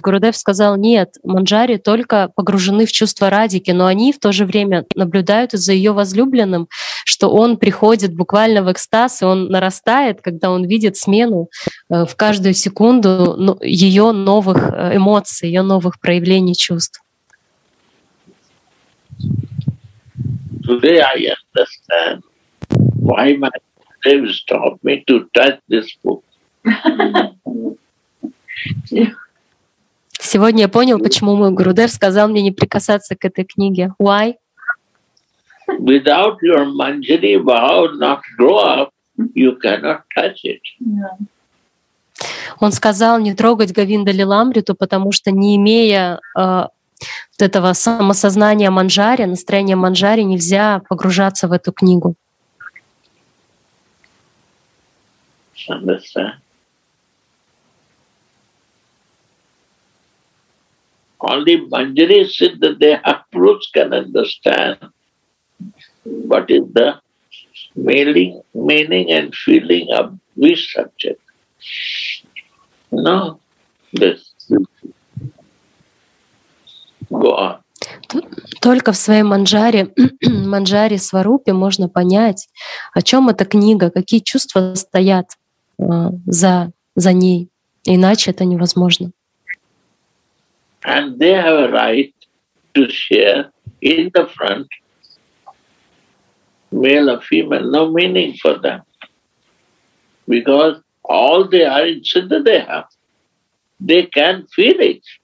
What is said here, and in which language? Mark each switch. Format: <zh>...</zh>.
<ru>Гурудев сказал, нет, Манджари только погружены в чувства Радики, но они в то же время наблюдают за ее возлюбленным, что он приходит буквально в экстаз, и он нарастает, когда он видит смену в каждую секунду ее новых эмоций, ее новых проявлений чувств.</ru> <en>Today I understand why my They stop me to touch this book.</en> <ru>Сегодня я понял, почему мой Гурудев сказал мне не прикасаться к этой книге.</ru> <en>Why? Without your Manjari vow not grow up, you cannot touch it.</en> <ru>Он сказал не трогать Говинда Лиламриту, потому что не имея вот этого самосознания Манджари, настроения Манджари, нельзя погружаться в эту книгу.</ru> <en>Understand. Only Manjari Siddha Deha fruits can understand what is the meaning and feeling of this subject. No, this. Go on.</en> <ru>Только в своей манджаре, манджаре сварупе можно понять, о чем эта книга, какие чувства стоят за ней, иначе это невозможно.</ru> <en>And they have a right to share in the front, male or female, no meaning for them. Because all they are in Siddha Deha, they can feel it.</en>